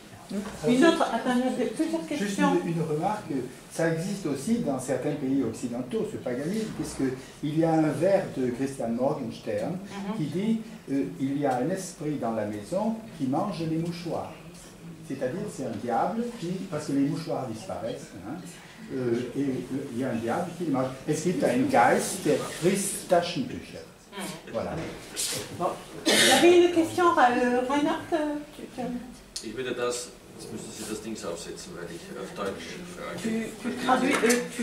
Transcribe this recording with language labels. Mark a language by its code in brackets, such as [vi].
[fr] Juste une remarque, ça existe aussi dans certains pays occidentaux, ce paganisme, puisqu'il y a un vers de Christian Morgenstern qui dit « il y a un esprit dans la maison qui mange les mouchoirs ». C'est-à-dire, c'est un diable qui, parce que les mouchoirs disparaissent, il y a un diable qui les mange. [de] Es gibt ein Geist, der frisst Taschentücher. [fr] Voilà. Bon. J'avais une question, Reinhard, [de] Ich würde das, jetzt müssen Sie das Dings aufsetzen, weil ich auf Deutsch frage.